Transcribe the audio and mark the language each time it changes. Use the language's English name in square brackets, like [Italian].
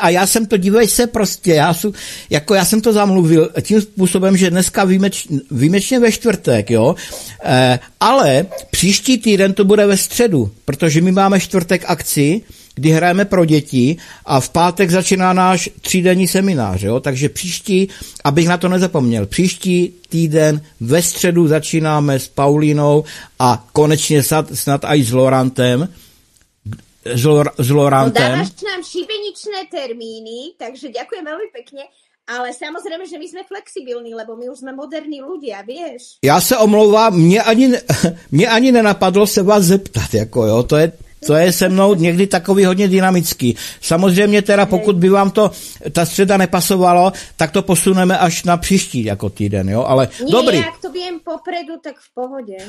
[Czech] a já jsem to, dívej se prostě, já jsem to zamluvil tím způsobem, že dneska výjimečně ve čtvrtek, jo, ale příští týden to bude ve středu, protože my máme čtvrtek akci, kdy hrajeme pro děti a v pátek začíná náš 3denní seminář, jo? Takže příští, abych na to nezapomněl, příští týden ve středu začínáme s Paulínou a konečně snad aj s Lorantem. S Lorantem. [Slovak] No dáváš nám šibeničné termíny, takže ďakujem veľmi pekne, ale samozrejme, že my sme flexibilní, lebo my už sme moderní ľudia, vieš? [Czech] Ja sa omlouvám, mne ani nenapadlo sa vás zeptat, ako jo, to je se mnou někdy takový hodně dynamický. Samozřejmě teda, pokud by vám to ta středa nepasovalo, tak to posuneme až na příští jako týden, jo? [Slovak] Ale nie, dobrý. Jak to vím popredu, tak v pohodě.